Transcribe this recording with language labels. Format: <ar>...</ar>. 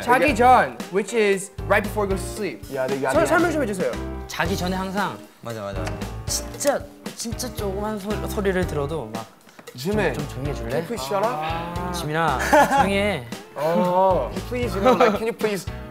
<ko>자기 전,</ko> <en>which is right before you go to sleep. Yeah, they got it.</en> <ko>설명 좀 해주세요. 자기 전에 항상 맞아. 진짜 조그만 소리를 들어도 막</ko> <en>Jimin, can you please shut up? Jimin, can you</en> <ko>please? Jimin아, 조용히 해.</ko> <en>Oh, please, you know, like, can you please</en>